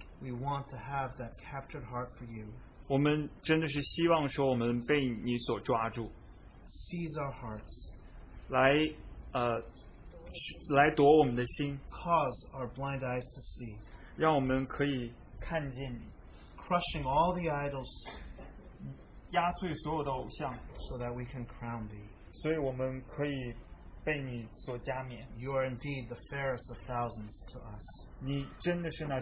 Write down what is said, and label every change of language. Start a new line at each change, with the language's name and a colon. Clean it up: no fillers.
English: we want to have that captured heart for you.
Chinese: 我们真的是希望说我们被你所抓住。
English: Seize our hearts.
Chinese: 来夺我们的心。
English: Cause our blind eyes to see.
Chinese: 让我们可以看见你。
English: Crushing all the idols.
Chinese: 压碎所有的偶像,
English: so that we can crown thee.
Chinese: 所以我们可以被你所加冕。
English: You are indeed the fairest of thousands to us.